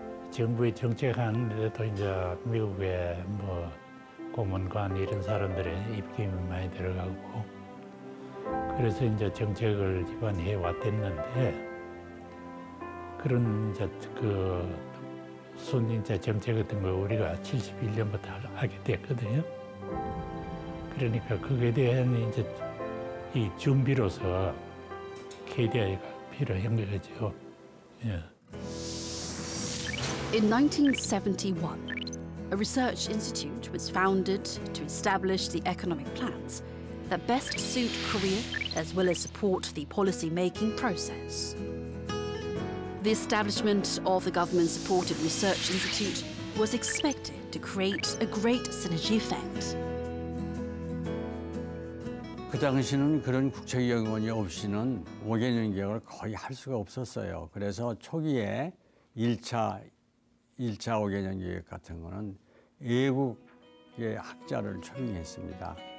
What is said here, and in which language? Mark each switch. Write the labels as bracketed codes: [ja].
[ko] 정부의 정책안에도 이제 미국의 뭐 고문관 이런 사람들의 입김이 많이 들어가고 그래서 이제 정책을 집안해 왔댔는데 그런 이제 그 순진자 정책 같은 걸 우리가 71년부터 하게 됐거든요. 그러니까 그에 대한 이제 이 준비로서 KDI가 필요한 거죠. 예. [en] In 1971, a research institute was founded to establish the economic plans that best suit Korea as well as support the policy-making process. The establishment of the government-supported research institute was expected to create a great synergy effect. [ko] 그 당시는 그런 국책연구원이 없이는 5개 연계를 거의 할 수가 없었어요. 그래서 초기에 1차 5개년 계획 같은 거는 외국의 학자를 초빙했습니다.